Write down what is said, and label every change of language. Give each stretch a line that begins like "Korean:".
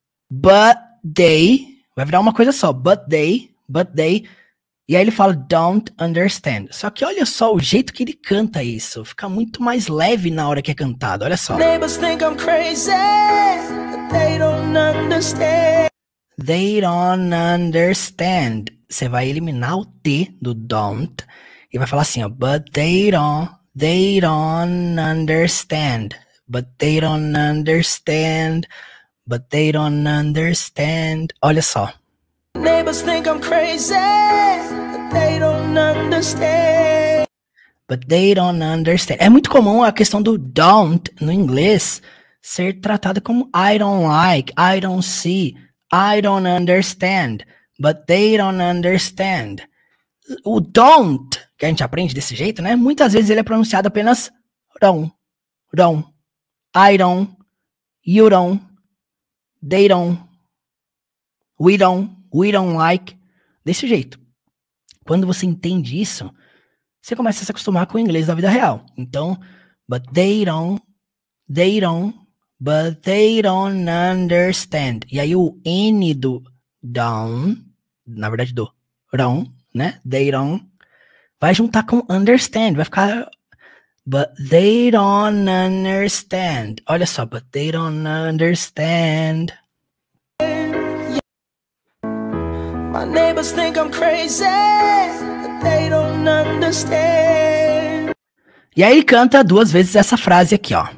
Portuguese: But they, vai virar uma coisa só, but they, e aí ele fala
English: don't understand.
Portuguese: Só que olha só o jeito que ele canta isso, fica muito mais leve na hora que é cantado, olha só.
English: Neighbors think I'm crazy, but they don't understand. They don't understand.
Portuguese: Você vai eliminar o T do don't e vai falar assim, ó,
English: but they don't understand. But they don't understand. But they don't understand.
Portuguese: Olha só.
English: Neighbors think I'm crazy, but they don't understand. But they don't understand.
Portuguese: É muito comum a questão do don't no inglês ser tratada como
English: I don't like, I don't see. I don't understand, but they don't understand.
Portuguese: O don't, que a gente aprende desse jeito, né? Muitas vezes ele é pronunciado apenas don't, don't,
English: I don't, you don't, they don't, we don't like,
Portuguese: desse jeito. Quando você entende isso, você começa a se acostumar com o inglês da vida real.
English: Então, but they don't, but they don't understand.
Portuguese: E aí o N do don't, na verdade do don't, né? They don't, vai juntar com understand, vai ficar...
English: But they don't understand.
Portuguese: Olha só,
English: but they don't understand. My neighbors think I'm crazy, but they don't understand.
Portuguese: E aí ele canta duas vezes essa frase aqui, ó.